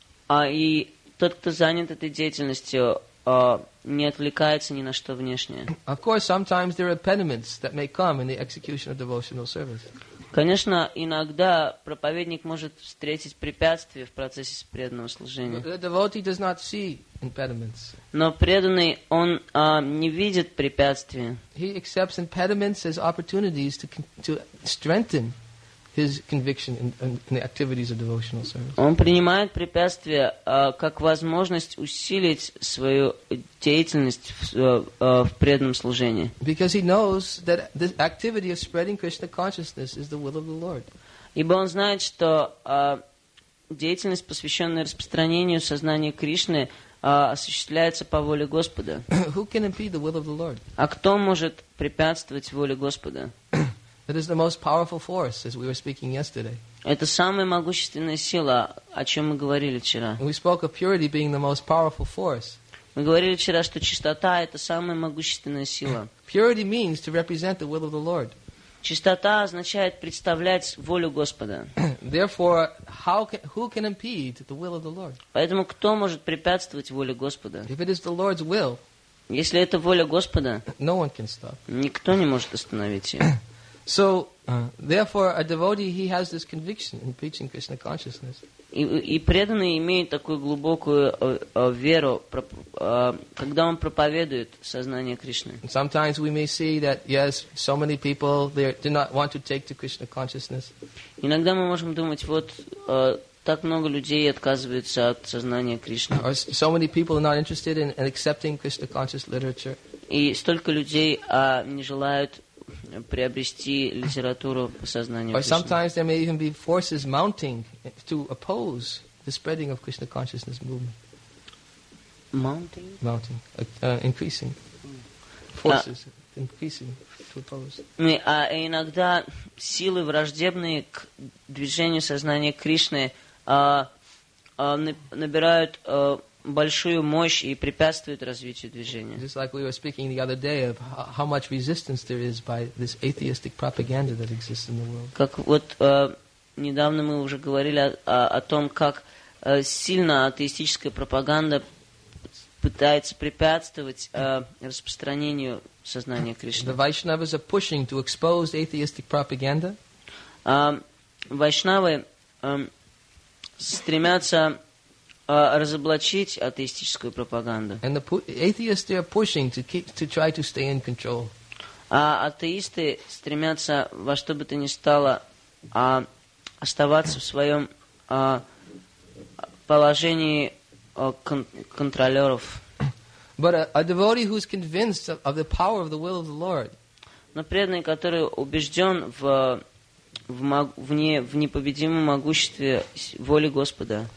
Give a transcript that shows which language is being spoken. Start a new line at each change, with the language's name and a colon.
Russian: И тот, кто занят этой деятельностью, не отвлекается ни на что внешнее.
English: Of course, sometimes there are impediments that may come in the execution of devotional service.
Russian: Конечно, иногда проповедник может встретить препятствия в процессе преданного служения.
English: But the devotee does not see impediments.
Russian: Но преданный, он не видит препятствий.
English: He accepts impediments as opportunities to strengthen his conviction in the activities of devotional service.
Russian: Он принимает препятствия как возможность усилить свою деятельность в преданном служении.
English: Because he knows that the activity of spreading Krishna consciousness is the will of the Lord.
Russian: Ибо он знает, что деятельность, посвященная распространению сознания Кришны, осуществляется по воле Господа.
English: Who can impede the will of the Lord?
Russian: А кто может препятствовать воле Господа?
English: It is the most powerful force, as we were speaking yesterday.
Russian: Это самая могущественная сила, о чем мы говорили вчера.
English: We spoke of purity being the most powerful force.
Russian: Мы говорили вчера, что чистота — это самая могущественная сила.
English: Purity means to represent the will of the Lord.
Russian: Чистота означает представлять волю Господа.
English: Therefore, who can impede the will of the Lord?
Russian: Поэтому кто может препятствовать воле Господа?
English: If it is the Lord's will,
Russian: если это воля Господа,
English: no one can stop.
Russian: Никто не может остановить ее.
English: So, therefore, a devotee, he has this conviction in preaching Krishna consciousness.
Russian: И преданный имеет такую глубокую веру, когда он проповедует сознание Кришны.
English: Sometimes we may see that, yes, so many people, they do not want to take to Krishna consciousness.
Russian: Иногда мы можем думать, вот так много людей отказываются от сознания Кришны.
English: Or so many people are not interested in accepting Krishna conscious literature.
Russian: И столько людей не желают приобрести литературу сознания.
English: Or sometimes there may even be forces mounting to oppose the spreading of Krishna consciousness movement. Mounting. Increasing. Forces increasing to oppose.
Russian: А иногда силы враждебные к движению сознания Кришны набирают большую мощь и препятствует развитию движения.
English: Just like we were speaking the other day of how much resistance there is by this atheistic propaganda that exists in the world.
Russian: Как вот недавно мы уже говорили о том, как сильно атеистическая пропаганда пытается препятствовать распространению сознания Кришны.
English: The Vaishnavas are pushing to expose atheistic propaganda.
Russian: Вайшнавы стремятся разоблачить атеистическую пропаганду.
English: And the atheists are pushing to keep, to try to stay in control.
Russian: А атеисты стремятся во что бы то ни стало оставаться в своем положении контролеров.
English: But a devotee who is convinced of the power of the will of the Lord.
Russian: Но преданный, который убежден в непобедимом могуществе воли Господа.